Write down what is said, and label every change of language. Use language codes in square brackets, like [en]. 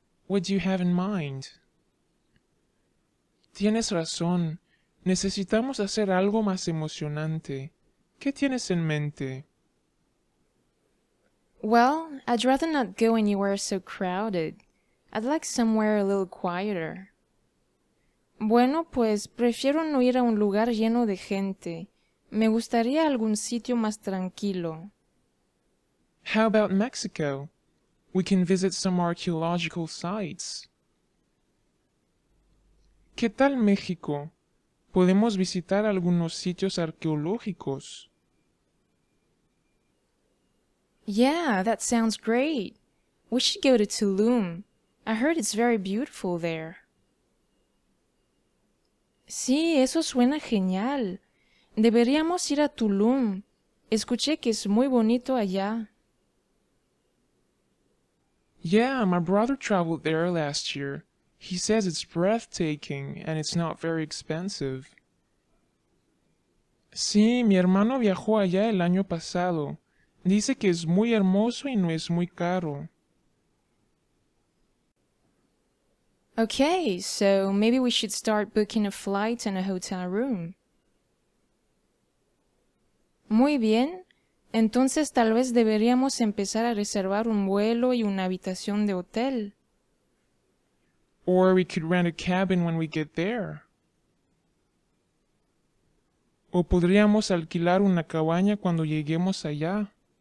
[en] What do you have in mind? [es] Tienes razón. Necesitamos hacer algo más emocionante. ¿Qué tienes en mente? [en] Well, I'd rather not go anywhere so crowded. I'd like somewhere a little quieter. [es] Bueno, pues, prefiero no ir a un lugar lleno de gente. Me gustaría algún sitio más tranquilo. [en] How about Mexico? We can visit some archaeological sites. [es] ¿Qué tal México? Podemos visitar algunos sitios arqueológicos. [en] Yeah, that sounds great. We should go to Tulum. I heard it's very beautiful there. [es] Sí, eso suena genial. Deberíamos ir a Tulum. Escuché que es muy bonito allá. [en] Yeah, my brother traveled there last year. He says it's breathtaking and it's not very expensive. [es] Sí, mi hermano viajó allá el año pasado. Dice que es muy hermoso y no es muy caro. [en] Okay, so maybe we should start booking a flight and a hotel room. [es] Muy bien. Entonces tal vez deberíamos empezar a reservar un vuelo y una habitación de hotel. [en] Or we could rent a cabin when we get there. [es] O podríamos alquilar una cabaña cuando lleguemos allá.